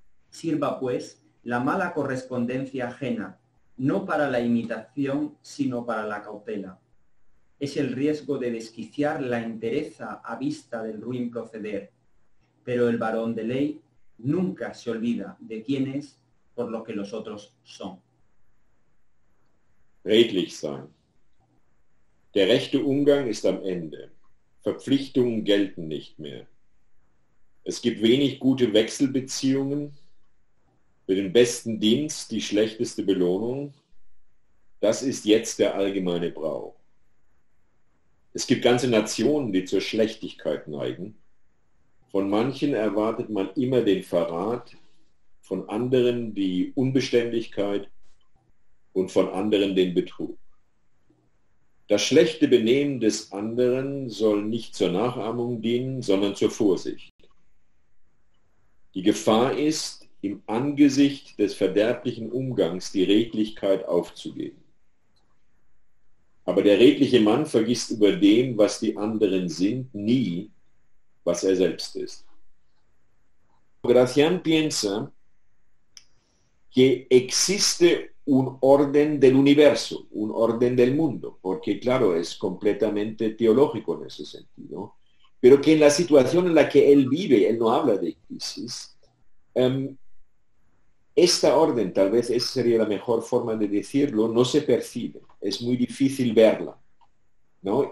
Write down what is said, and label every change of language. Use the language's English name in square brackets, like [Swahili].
[Spanish] Sirva, pues, la mala correspondencia ajena, no para la imitación, sino para la cautela. Es el riesgo de desquiciar la entereza a vista del ruin proceder, pero el varón de ley nunca se olvida de quién es por lo que los otros son. [German] Redlich sein. Der rechte Umgang ist am Ende. Verpflichtungen gelten nicht mehr. Es gibt wenig gute Wechselbeziehungen. Für den besten Dienst die schlechteste Belohnung. Das ist jetzt der allgemeine Brauch. Es gibt ganze Nationen, die zur Schlechtigkeit neigen. Von manchen erwartet man immer den Verrat, von anderen die Unbeständigkeit und von anderen den Betrug. Das schlechte Benehmen des anderen soll nicht zur Nachahmung dienen, sondern zur Vorsicht. Die Gefahr ist, im Angesicht des verderblichen Umgangs die Redlichkeit aufzugeben. Aber der redliche Mann vergisst über dem, was die anderen sind, nie, was er selbst ist. [Spanish] Gracián piensa que existe un orden del universo, un orden del mundo, porque claro, es completamente teológico en ese sentido, pero que en la situación en la que él vive, él no habla de crisis, esta orden, tal vez esa sería la mejor forma de decirlo, no se percibe, es muy difícil verla, ¿no?